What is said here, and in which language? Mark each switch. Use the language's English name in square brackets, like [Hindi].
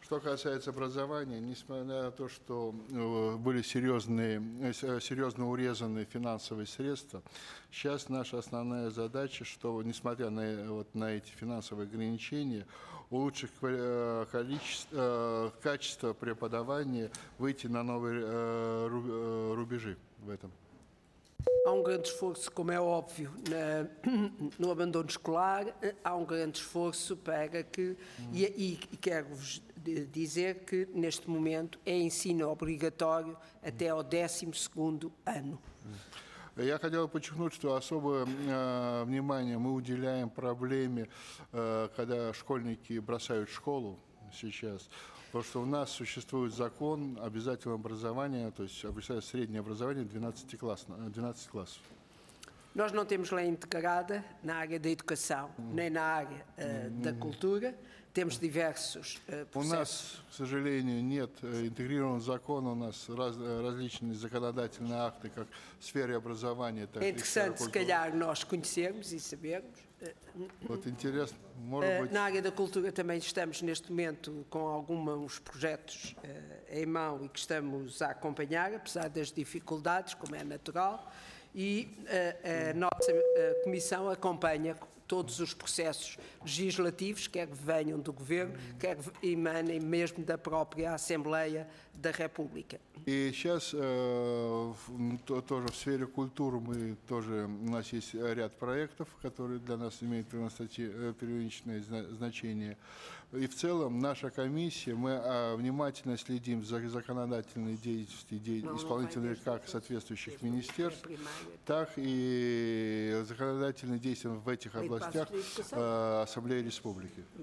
[Russian] Что касается образования, несмотря на то, что были серьезно урезаны финансовые средства, сейчас наша основная задача, что, несмотря на, вот, на эти финансовые ограничения, улучшить качество преподавания, выйти на новые рубежи в этом. [Portuguese] Há um grande esforço, como é óbvio, no abandono escolar, há um grande esforço para que, e quero-vos dizer que neste momento é ensino obrigatório até ao 12º ano. [Russian] Я хотел подчеркнуть, что особое внимание мы уделяем проблеме, когда школьники бросают школу сейчас. То, что у нас существует закон обязательного образования, то есть обязательное среднее образование 12 классов. [Portuguese] Nós não temos lei integrada na área da educação, nem na área da cultura. Temos diversos processos. [Russian] У нас, к сожалению, нет интегрированного закона. У нас различные законодательные акты, как в сфере образования, так и в сфере культуры. [Portuguese] Нós conhecermos и sabermos. [Russian] Вот интересно, может быть... [Portuguese] На área da cultura também estamos neste momento com alguns projetos em mão e que estamos a acompanhar, apesar das dificuldades, como é natural, e a nossa comissão acompanha todos os processos legislativos, quer que venham do governo, quer que emanem mesmo da própria Assembleia da República. [Russian] E сейчас тоже в сфере культуры мы тоже у нас есть ряд проектов, которые для нас имеют первичное значение. И в целом наша комиссия, мы внимательно следим за законодательной деятельностью исполнительных как соответствующих министерств, так и законодательной деятельностью в этих областях Ассамблеи Республики.